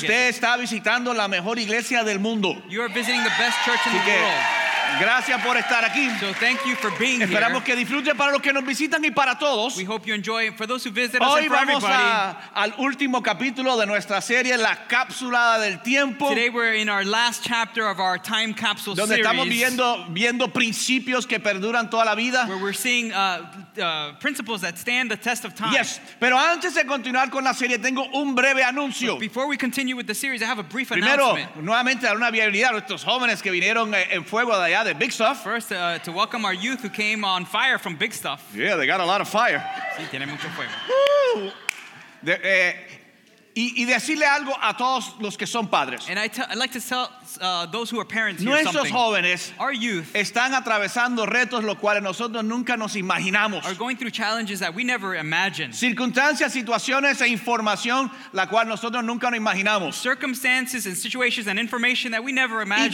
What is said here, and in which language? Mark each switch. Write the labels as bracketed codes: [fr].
[es] Usted está visitando la mejor iglesia del mundo. [en] You are visiting the best church in the world. [es] Gracias por estar aquí. [en] So thank you for being [es] Esperamos [en] here. [es] Esperamos que disfruten para los que nos visitan y para todos. [en] We hope you enjoy it for those who visit [es] Hoy [en] us and for everybody. [es] Hoy vamos al último capítulo de nuestra serie La Cápsula del Tiempo. [en] Today we're in our last chapter of our Time Capsule [es] donde [en] series. [es] Donde estamos viendo principios que perduran toda la vida. [en] Where we're seeing principles that stand the test of time. [es] Yes, pero antes de continuar con la serie tengo un breve anuncio. [en] But before we continue with the series I have a brief [es] Primero, [en] announcement. [es] Primero, nuevamente dar una bienvenida a nuestros jóvenes que vinieron en fuego de allá. [en] Yeah, big stuff. First, to welcome our youth who came on fire from Big Stuff. Yeah, they got a lot of fire. [es] Sí, tiene mucho fuego. Y decirle algo a todos los que son padres. [en] And I'd like to tell those who are parents here [es] Nuestros [en] something. [es] Jóvenes [en] our youth [es] están atravesando retos los cuales nosotros nunca nos imaginamos. [en] Are going through challenges that we never imagined. Circunstancias, situaciones e información la cual nosotros nunca nos imaginamos. Circumstances and situations and information that we never imagined.